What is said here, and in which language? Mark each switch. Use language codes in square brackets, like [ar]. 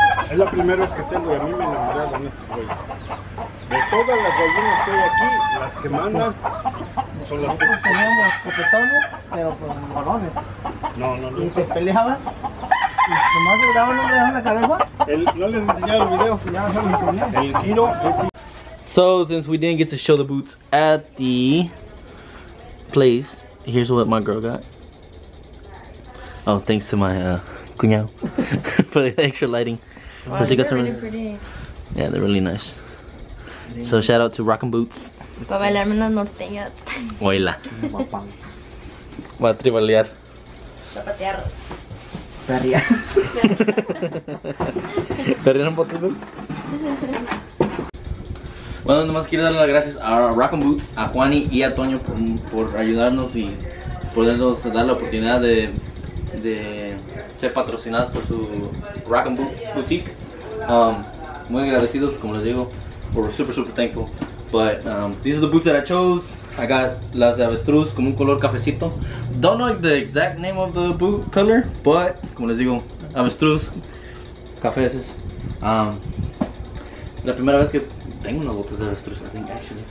[es] Es la primera vez que tengo y a mí me enamoraron estos pollos. De todas las gallinas que hay aquí, las que mandan son las pollos. Nosotros teníamos copetones, pero con balones. No. Y se peleaban. Y nomás se daba un hombre en la cabeza. No les enseñé el video. Ya no les enseñé. El giro es. [en] So, since we didn't get to show the boots at the place, here's what my girl got. Oh, thanks to my cuñado for the extra lighting. Wow, so she got some really pretty. Yeah, they're really nice. So, shout out to Rockin' Boots. [es] Pa bailarme las norteñas. Oila. Va a tribalear. Zapatear. Perrear. Perrear un poquito. Bueno, nomás quiero darle las gracias a Rockin' Boots, a Juani y a Toño por ayudarnos y podernos dar la oportunidad de ser patrocinados por su Rockin' Boots Boutique. Muy agradecidos, como les digo, [en] we're super, super thankful. But these are the boots that I chose. I got [es] las de avestruz, como un color cafecito. [en] Don't know the exact name of the boot color, but [es] como les digo, avestruz, cafeces. La primera vez que tengo unas botas de avestruz, [en] I think, actually.